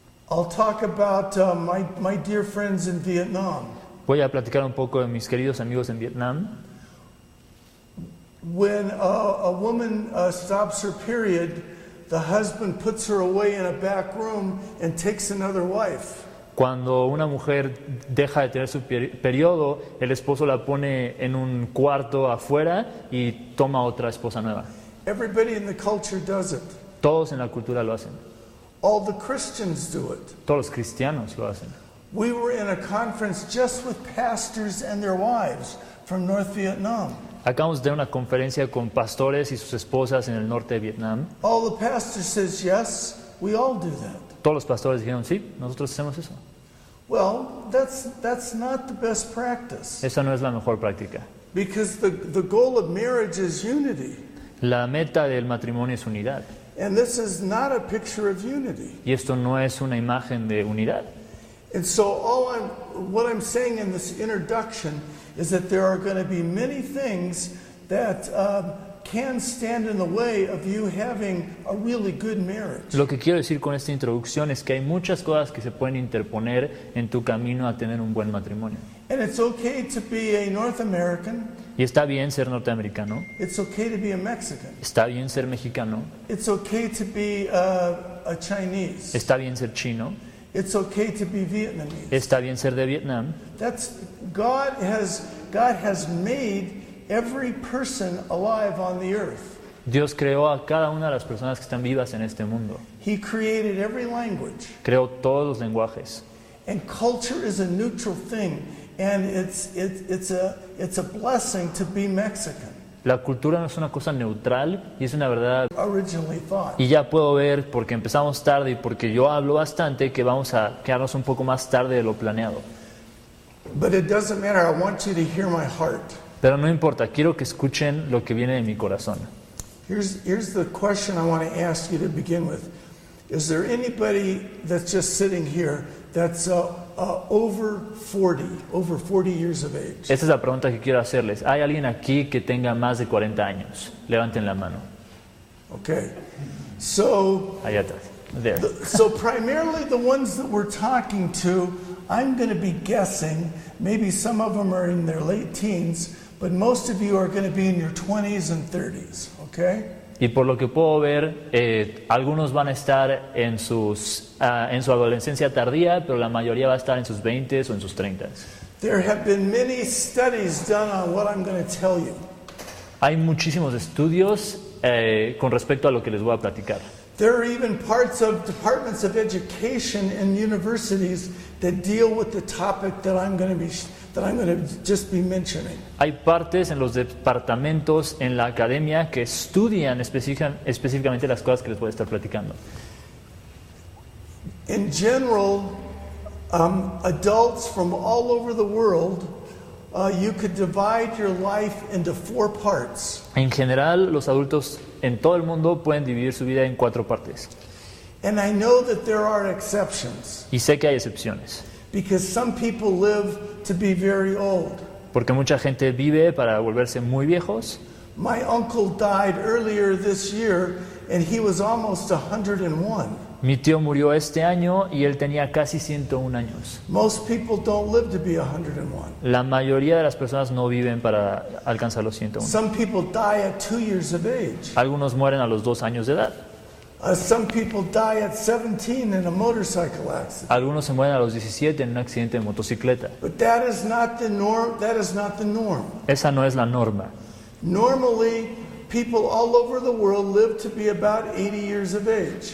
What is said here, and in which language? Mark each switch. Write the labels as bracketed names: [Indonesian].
[English] I'll talk about my dear friends in Vietnam. [Spanish] Voy a platicar un poco de mis queridos amigos en Vietnam. [English] When a woman stops her period, the husband puts her away in a back room and takes another wife. [Spanish] Cuando una mujer deja de tener su periodo, el esposo la pone en un cuarto afuera y toma otra esposa nueva. [English] Everybody in the culture does it. [Spanish] Todos en la cultura lo hacen. [English] All the Christians do it. [Spanish] Todos los cristianos lo hacen. [English] We were in a conference just with pastors and their wives from North Vietnam. [Spanish] Acabamos de una conferencia con pastores y sus esposas en el norte de Vietnam. [English] All the pastors says yes, we all do that. [Spanish] Todos los pastores dijeron sí, nosotros hacemos eso. [English] Well, that's not the best practice. [Spanish] Esa no es la mejor práctica. [English] Because the goal of marriage is unity. [Spanish] La meta del matrimonio es unidad. [English] And this is not a picture of unity. [Spanish] Y esto no es una imagen de unidad. [English] And so what I'm saying in this introduction is that there are going to be many things that can stand in the way of you having a really good marriage. [Spanish] Lo que quiero decir con esta introducción es que hay muchas cosas que se pueden interponer en tu camino a tener un buen matrimonio. [English] And it's okay to be a North American. [Spanish] Y está bien ser norteamericano. [English] It's okay to be a Mexican. [Spanish] Está bien ser mexicano. [English] It's okay to be a Chinese. [Spanish] Está bien ser chino. [English] It's okay to be Vietnamese. [Spanish] Está bien ser de Vietnam. [English] That's God has made every person alive on the earth. [Spanish] Dios creó a cada una de las personas que están vivas en este mundo. [English] He created every language. [Spanish] Creó todos los lenguajes. [English] And culture is a neutral thing. And it's a blessing to be Mexican. [Spanish] La cultura no es una cosa neutral y es una verdad. [English] Originally thought. [Spanish] Y ya puedo ver, porque empezamos tarde y porque yo hablo bastante, que vamos a quedarnos un poco más tarde de lo planeado. [English] But it doesn't matter. I want you to hear my heart. [Spanish] Pero no importa. Quiero que escuchen lo que viene de mi corazón. [English] Here's the question I want to ask you to begin with. Is there anybody that's just sitting here that's over 40 years of age? [Spanish] Esta es la pregunta que quiero hacerles. ¿Hay alguien aquí que tenga más de 40 años? Levanten la mano. [English] Okay. So, [Spanish] allá atrás. [English] There. So primarily the ones that we're talking to, I'm going to be guessing, maybe some of them are in their late teens, But most of you are going to be in your 20s and 30s, okay? [Spanish] Y por lo que puedo ver, algunos van a estar en sus en su adolescencia tardía, pero la mayoría va a estar en sus 20s o en sus 30s. [English] There have been many studies done on what I'm going to tell you. [Spanish] Hay muchísimos estudios con respecto a lo que les voy a platicar. [English] There are even parts of departments of education in universities that deal with the topic that I'm going to be just be mentioning. [Spanish] Hay partes en los departamentos en la academia que estudian específicamente las cosas que les voy a estar platicando. [English] In general, adults from all over the world, you could divide your life into four parts. [Spanish] En general, los adultos en todo el mundo pueden dividir su vida en cuatro partes. [English] And I know that there are exceptions. [Spanish] Y sé que hay excepciones. [English] Because some people live to be very old. [Spanish] Porque mucha gente vive para volverse muy viejos. [English] My uncle died earlier this year and he was almost 101. [Spanish] Mi tío murió este año y él tenía casi 101 años. [English] Most people don't live to be 101. [Spanish] La mayoría de las personas no viven para alcanzar los 101. [English] Some people die at 2 years of age. [Spanish] Algunos mueren a los 2 años de edad. [English] Some people die at 17 in a motorcycle accident. [Spanish] Algunos se mueren a los 17 en un accidente de motocicleta. [English] But that is not the norm. That is not the norm. [Spanish] Esa no es la norma. [English] Normally, people all over the world live to be about 80 years of age.